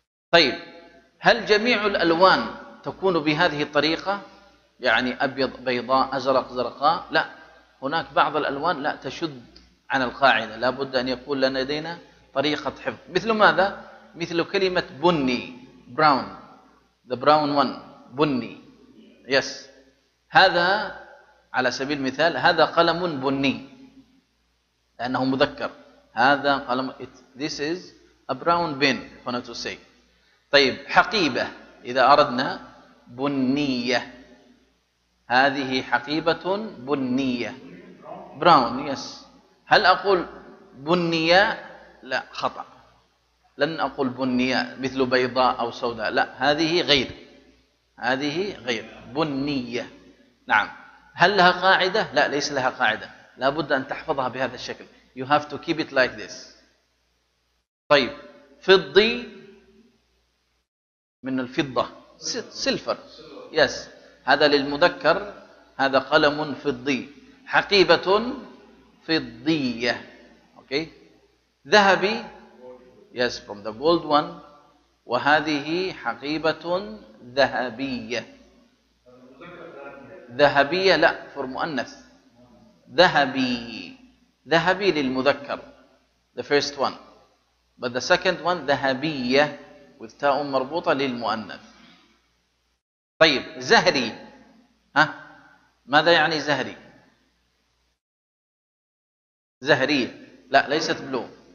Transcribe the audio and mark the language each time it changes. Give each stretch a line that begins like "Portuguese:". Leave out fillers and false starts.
Arabic: طيب هل جميع الألوان تكون بهذه الطريقة، يعني أبيض بيضاء أزرق زرقاء؟ لا، هناك بعض الألوان لا تشد عن القاعدة، لا بد أن يكون لدينا طريقة حفظ. مثل ماذا؟ مثل كلمة بني. brown.
English: the brown one.
Arabic: بني. yes. هذا على سبيل المثال هذا قلم بني لأنه مذكر. هذا قلم
English: this is a brown pen. want to say.
Arabic: طيب حقيبة، إذا أردنا بنية، هذه حقيبة بنية. براون. يس. هل أقول بنية؟ لا خطأ، لن أقول بنية مثل بيضاء أو سوداء. لا هذه غير، هذه غير بنية. نعم. هل لها قاعدة؟ لا ليس لها قاعدة، لا بد أن تحفظها بهذا الشكل.
English: you have to keep it like this.
Arabic: طيب فضي من الفضة. سيلفر. يس. هذا للمذكر، هذا قلم فضي. حقيبة فضية. أوكي. ذهبي.
English: yes from the gold one.
Arabic: وهذه حقيبة ذهبية. ذهبية لا for مؤنث. ذهبي. ذهبي للمذكر
English: the first one. but the second one ذهبية with
Arabic: تاء مربوطة للمؤنث. طيب زهري. ها ماذا يعني زهري؟ زهرية. لا ليست بلو.